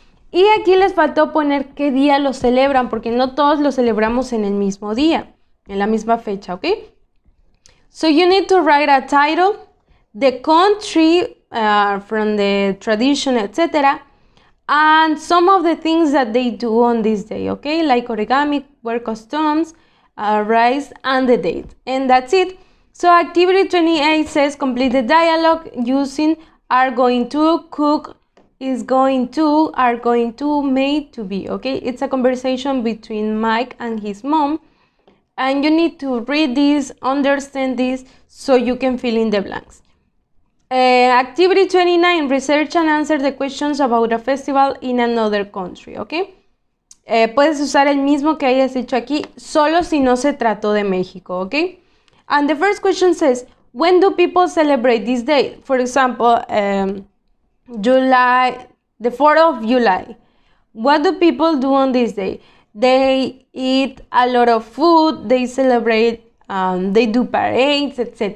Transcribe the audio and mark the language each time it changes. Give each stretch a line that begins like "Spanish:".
Spanish: Y aquí les faltó poner qué día lo celebran, porque no todos lo celebramos en el mismo día, en la misma fecha, ¿ok?
English: So you need to write a title, the country from the tradition, etc. And some of the things that they do on this day, ¿ok? Like origami, wear costumes, rice, and the date. And that's it. So activity 28 says complete the dialogue using are going to, cook, is going to, are going to, made to be, okay? It's a conversation between Mike and his mom. And you need to read this, understand this, so you can fill in the blanks. Activity 29, research and answer the questions about a festival in another country, okay?
Spanish: Puedes usar el mismo que hayas hecho aquí, solo si no se trató de México, okay?
English: And the first question says, when do people celebrate this day? For example, July, the 4th of July. What do people do on this day? They eat a lot of food, they celebrate, they do parades, etc.